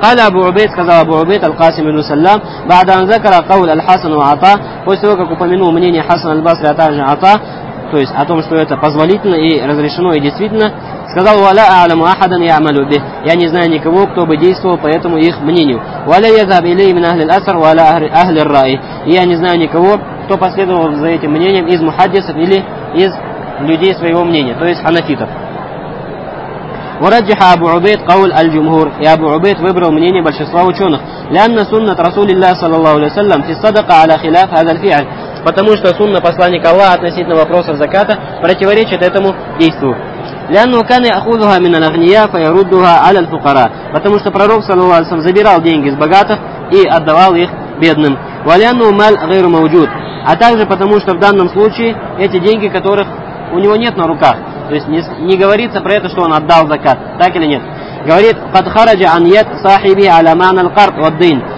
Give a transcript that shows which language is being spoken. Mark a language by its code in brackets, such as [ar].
[ru] Каля Абу Убейд, сказал Абу Убейд аль-Касим ибн Саллам, [ar] «Ба'да анзакара кавль аль-Хасан ва Ата», [ru] после того, как упомянул мнение Хасан аль-Басри, а также Ата, то есть о том, что это позволительно и разрешено, и действительно, сказал, [ar] «Ва ля а'ламу ахадан я амалю бих», [ru] я не знаю никого, кто бы действовал по этому их мнению. [ar] «Ва ля язаб илей мин ахли л-асар, ва ля ахли р-ра'и», [ru] я не знаю никого, кто последовал за этим мнением из мухаддисов или из людей своего мнения, то есть ханафитов. [ar] ورجح أبو عبيد قول الجمهور يا أبو عبيد [ru] выбрал мнение большинства ученых [ar] لأن سنة رسول الله صلى الله عليه وسلم في الصدقة على خلاف هذا الفعل. [ru] Потому что сунна посланника Аллаха относительно вопросов заката противоречит этому действию. [ar] لأنه كان يأخذها من الأغنياء فيردها على الفقراء. [ru] Потому что пророк [ar] صلى الله عليه وسلم [ru] забирал деньги с богатых и отдавал их бедным. [ar] ولأنه مال غير موجود. [ru] А также потому что в данном случае эти деньги, которых у него нет на руках. То есть не говорится про это, что он отдал закат, так или нет. Говорит, [ar] «Кад хараджа ан яд сахиби аля ман аль-кард ваддин».